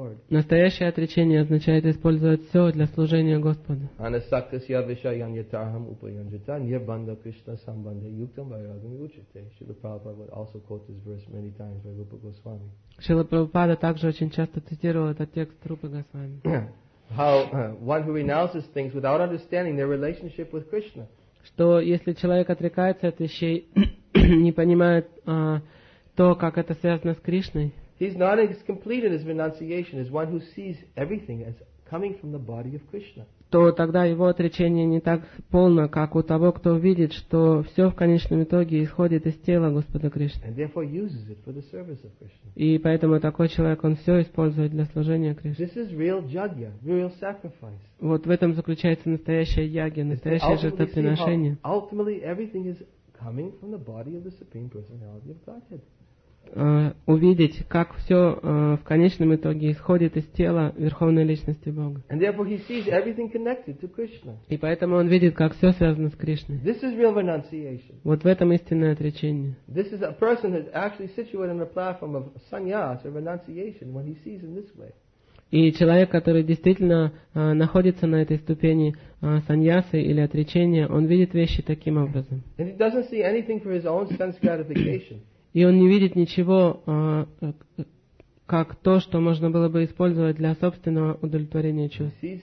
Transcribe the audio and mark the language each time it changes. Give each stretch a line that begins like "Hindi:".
Russian: Настоящее отречение означает использовать все для служения Господу.
Sanskrit: Анасактасья виша яньятарахам упаянджита нирбанда кришна самбанда юктам вайрагами учите.
English: Шрила Прабхупада would also quote this verse many times by Rupa Goswami.
Russian: Шрила Прабхупада также очень часто цитировал этот текст Рупы Госвами.
English: How one who renounces things without understanding their relationship with Krishna.
Russian: Что если человек отрекается от вещей, не понимает то, как это связано с Кришной,
English: he's not as complete in his renunciation as one who sees everything as coming from the body of Krishna.
Russian: То тогда его отречение не так полно, как у того, кто видит, что все в конечном итоге исходит из тела Господа Кришны.
English: And therefore uses it for the service of Krishna.
Russian: И поэтому такой человек, он все использует для служения Кришне.
English: This is real jagya, real sacrifice.
Russian: Вот в этом заключается настоящая ягья, настоящее жертвоприношение.
English: Ultimately, everything is coming from the body of the Supreme Personality of Godhead.
Russian: Увидеть, как все в конечном итоге исходит из тела Верховной Личности Бога.
English: And therefore he sees everything connected to Krishna.
Russian: И поэтому он видит, как все связано с Кришной.
English: This is real renunciation.
Russian: Вот в этом истинное отречение.
English: This is a person that actually situated on the platform of sannyas or renunciation when he sees in this way.
Russian: И человек, который действительно находится на этой ступени саньясы или отречения, он видит вещи таким образом.
English: And he doesn't see anything for his own sense gratification.
Russian: И он не видит ничего, как то, что можно было бы использовать для собственного удовлетворения чувств.